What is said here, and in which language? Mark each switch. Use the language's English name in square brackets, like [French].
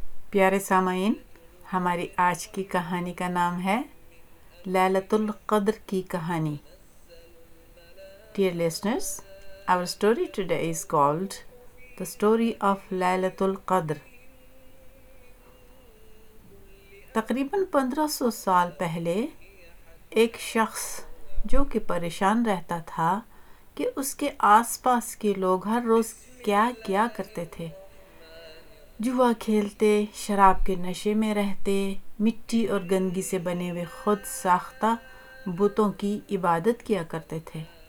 [Urdu] پیارے سامعین، ہماری آج کی کہانی کا نام ہے لیلۃ القدر کی کہانی. [English] Dear listeners, our story today is called The Story of Laylatul Qadr. [Urdu] تقریباً 1500 سال پہلے ایک شخص جو کہ پریشان رہتا تھا کہ اس کے آس پاس کے لوگ ہر روز کیا کیا کرتے تھے، جوا کھیلتے، شراب کے نشے میں رہتے، مٹی اور گندگی سے بنے ہوئے خود ساختہ بتوں کی عبادت کیا کرتے تھے.